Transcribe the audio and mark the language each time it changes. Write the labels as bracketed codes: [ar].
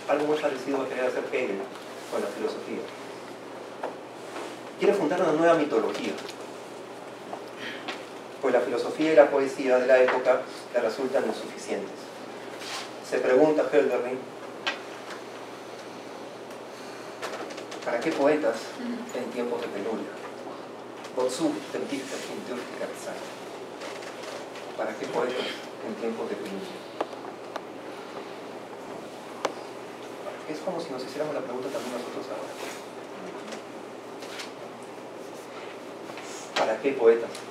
[es] Algo muy parecido a querer hacer Hegel con la filosofía. Quiere fundar una nueva mitología. Pues la filosofía y la poesía de la época le resultan insuficientes. Se pregunta Hölderlin, ¿para qué poetas en tiempos de penuria? [de] Wozu denn Dichter in dürftiger Zeit? [es] ¿Para qué poetas en tiempos de penuria? Es como si nos hiciéramos la pregunta también nosotros ahora. ¿Para qué poetas?